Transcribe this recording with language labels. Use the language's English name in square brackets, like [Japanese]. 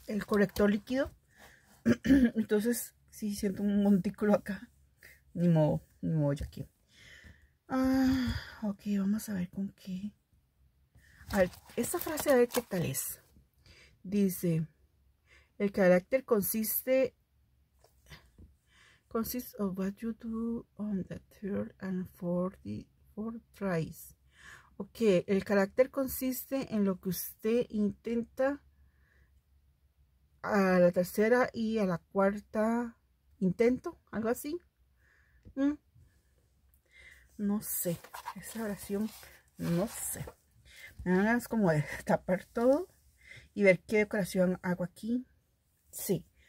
[Spanish] El corrector líquido. Entonces, sí, siento un montículo acá. Ni modo, ni modo yo aquí. Ok, vamos a ver con qué. A ver, esta frase, a ver qué tal es. Dice, el carácter consiste... [English] Consists of what you do on the third and fourth tries. [Spanish] Ok, el carácter consiste en lo que usted intenta a la tercera y a la cuarta intento, algo así. No sé, esa oración, no sé. Me dan ganas como de tapar todo y ver qué decoración hago aquí. Sí.